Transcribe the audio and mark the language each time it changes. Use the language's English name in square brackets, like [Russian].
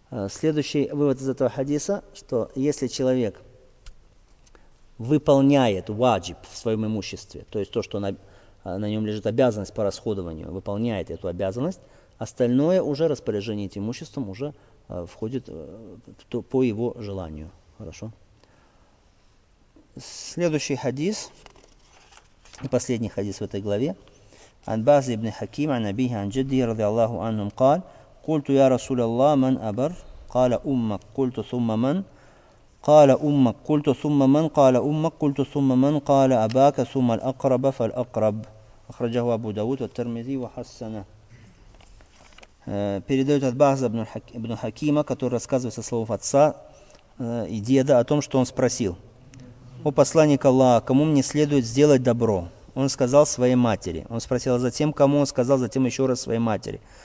[Russian] Следующий вывод из этого хадиса, что если человек выполняет ваджиб в своем имуществе, то есть то, что на нем лежит обязанность по расходованию, выполняет эту обязанность, остальное уже распоряжение этим имуществом уже входит по его желанию. Хорошо. Следующий хадис, и последний хадис в этой главе. [Arabic] عن بعض ابن حكيم عن أبيه عن جده رضي الله عنهم قال قلت يا رسول الله من أبر قال أمك قلت ثم من قال أمك قلت ثم من قال أمك قلت ثم من قال أباك ثم الأقرب فالأقرب أخرجه أبو داود والترمذي وحسنه. [Russian] Передает от Бахза ибн Хакима, который рассказывает со слов отца и деда о том, что он спросил: «О посланник Аллаха, кому мне следует сделать добро?» Он сказал своей матери. Он спросил затем, кому, он сказал затем еще раз своей матери.